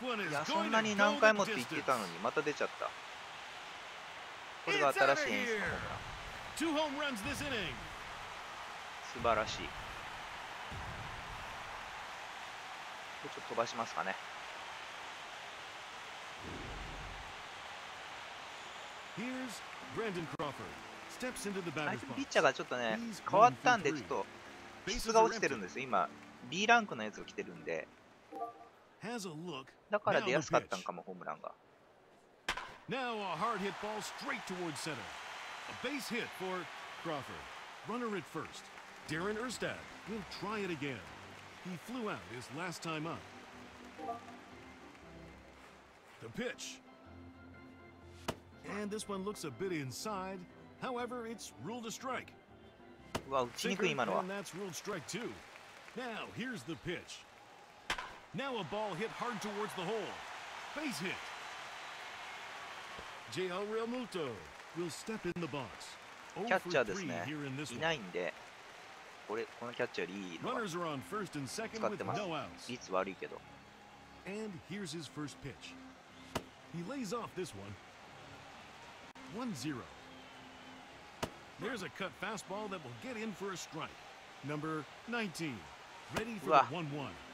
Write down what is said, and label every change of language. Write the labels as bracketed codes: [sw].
[ja] いや、そんなに何回もって言ってたのに、また出ちゃった。これが新しい演出の [en] ホームラン。home runs this inning. [ja] 素晴らしい。ちょっと飛ばしますかね。 [en] Here's Brandon Crawford. Steps into the batter's box. [ja] ピッチャーがちょっとね、変わったんで、ちょっと質が落ちてるんですよ。今 B ランクのやつが来てるんで、だから出やすかったんかも、ホームランが。 [en] Now a hard hit ball straight towards center. A base hit for Crawford. Runner at first. Darren Erstad will try it again. He flew out his last time up. The pitch. And this one looks a bit inside. However, it's ruled a strike. Well, Chinkui, man, that's ruled strike two. Now, here's the pitch. Now, a ball hit hard towards the hole. Base hit. JL Realmuto will step in the box. [ja] キャッチャーですね。いないんで、これ、このキャッチャーでいいの。 [en] Runners are on first and second with no outs. [ja] 率悪いけど。 [en] And here's his first pitch. He lays off this one. 1-0. There's a cut fastball that will get in for a strike. Number 19. Ready for the 1-1.